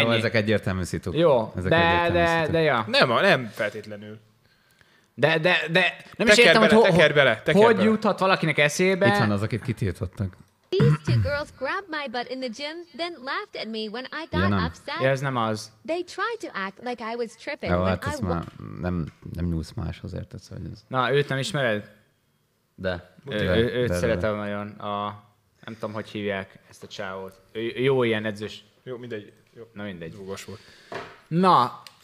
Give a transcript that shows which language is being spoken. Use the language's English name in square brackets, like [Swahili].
[Hungarian] Jó, ezek egyértelmű szituk. Jó, de ja. Nem feltétlenül. De nem teker is értem, bele, hogy teker bele. Juthat valakinek eszébe. Itt van az, akit kitiltottak. [English] These two girls grabbed my butt in the gym, then laughed at me when I got upset. [Hungarian] Ja, ez nem az. [English] They tried to act like I was tripping. [Hungarian] Jó, hát ez már nem nyúlsz máshoz, érted, szóval ez. Na, őt nem ismered? De. Őt szeretem nagyon. Nem tudom, hogy hívják ezt a csávót. Jó ilyen edzős. Jó, mindegy. Na, mindegy. Zúgos volt. Na.